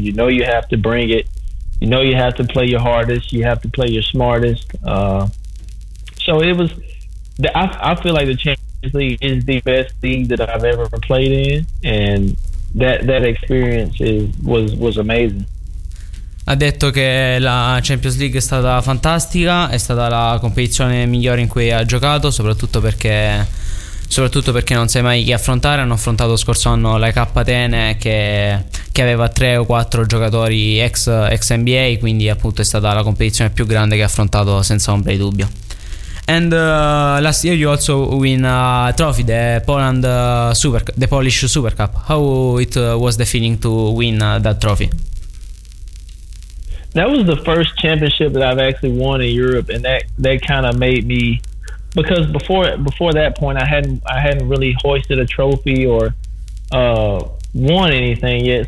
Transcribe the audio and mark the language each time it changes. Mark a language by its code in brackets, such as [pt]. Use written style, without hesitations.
[en] You know you have to bring it. You know you have to play your hardest. You have to play your smartest. So it was, I feel like the Champions League is the best league that I've ever played in, and that experience was amazing. [it] Ha detto che la Champions League è stata fantastica, è stata la competizione migliore in cui ha giocato, soprattutto perché non sai mai chi affrontare. Hanno affrontato scorso anno la K Atene, che aveva 3 o 4 giocatori ex NBA, quindi appunto è stata la competizione più grande che ha affrontato, senza ombra di dubbio. [en] And last year you also win a trophy, the Polish Super Cup. How it was the feeling to win that trophy? That was the first championship that I've actually won in Europe, and that kind of made me, because before that point I hadn't really hoisted a trophy or won anything yet.